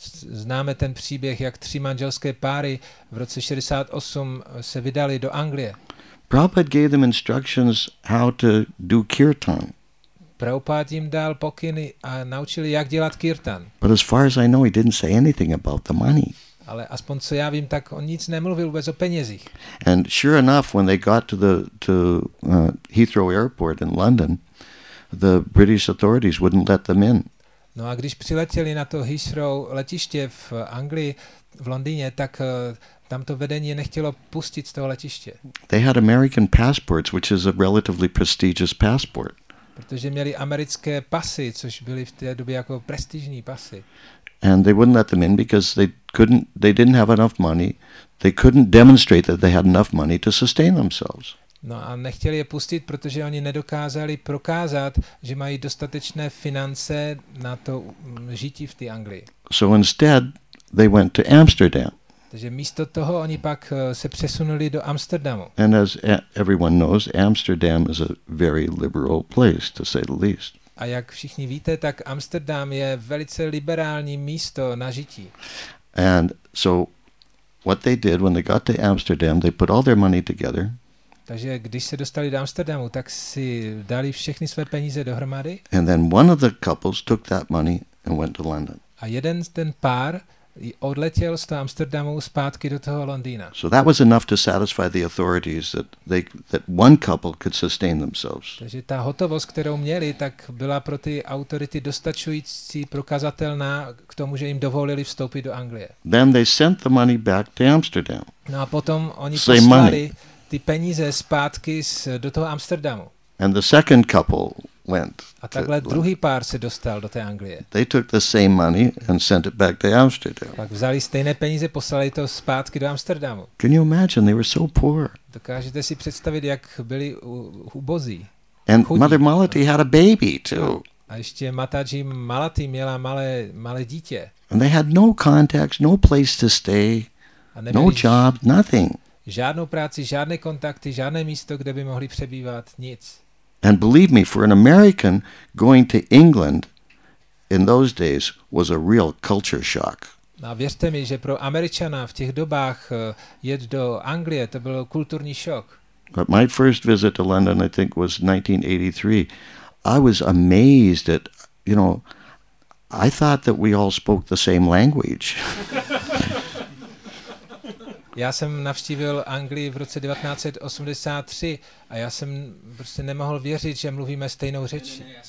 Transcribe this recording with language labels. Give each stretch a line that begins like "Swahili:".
Czech: Známe ten příběh, jak tři manželské páry v roce 68 se vydali do Anglie.
English: Prabhupada gave them instructions how to do kirtan.
Czech: Prabhupada jim dal pokyny a naučili, jak dělat kirtan.
English: But as far as I know, he didn't say anything about the money.
Czech: Ale aspoň co já vím, tak on nic nemluvil vůbec o penězích.
English: And sure enough, when they got to Heathrow Airport in London, the British authorities wouldn't let them in.
Czech: No a když přiletěli na to Heathrow letiště v Anglii, v Londýně, tak tamto vedení nechtělo pustit z toho letiště.
English: They had American passports, which is a relatively prestigious passport.
Czech: Protože měli americké pasy, což byly v té době jako prestižní pasy.
English: And they wouldn't let them in because they didn't have enough money. They couldn't demonstrate that they had enough money to sustain themselves.
Czech: No a nechtěli je pustit, protože oni nedokázali prokázat, že mají dostatečné finance na to žití v té Anglii.
English: So instead they went to Amsterdam.
Czech: Takže místo toho oni pak se přesunuli do Amsterdamu.
English: And as everyone knows, Amsterdam is a very liberal place, to say the least.
Czech: A jak všichni víte, tak Amsterdam je velice liberální místo na žití.
English: And so what they did when they got to Amsterdam, they put all their money together.
Czech: Takže když se dostali do Amsterdamu, tak si dali všechny své peníze dohromady.
English: And then one of the couples took that money and went to London.
Czech: A jeden ten pár odletěl z toho Amsterdamu zpátky do toho Londýna.
English: So that was enough to satisfy the authorities that one couple could sustain themselves.
Czech: Takže ta hotovost, kterou měli, tak byla pro ty autority dostačující, prokazatelná k tomu, že jim dovolili vstoupit do Anglie.
English: Then they sent the money back to Amsterdam.
Czech: No a potom oni poslali ty peníze zpátky do toho Amsterdamu.
English: And the second couple went.
Czech: A takhle druhý pár se dostal do té Anglie.
English: They took the same money and sent it back to Amsterdam.
Czech: Tak vzali stejné peníze, poslali to zpátky do Amsterdamu.
English: Can you imagine? They were so poor.
Czech: Dokážete si představit, jak byli ubozí? And chudí.
English: Mother Malati had a baby too.
Czech: A ještě Mataji Malati měla malé dítě.
English: And they had no contacts, no place to stay, no job, nothing.
Czech: Žádnou práci, žádné kontakty, žádné místo, kde by mohli přebývat, nic.
English: And believe me, for an American, going to England in those days was a real culture shock.
Czech: A věřte mi, že pro Američana v těch dobách jet do Anglie, to byl kulturní šok.
English: But my first visit to London, I think, was 1983. I was amazed at, you know, I thought that we all spoke the same language.
Czech: Já jsem navštívil Anglii v roce 1983 a já jsem prostě nemohl věřit, že mluvíme stejnou řečí.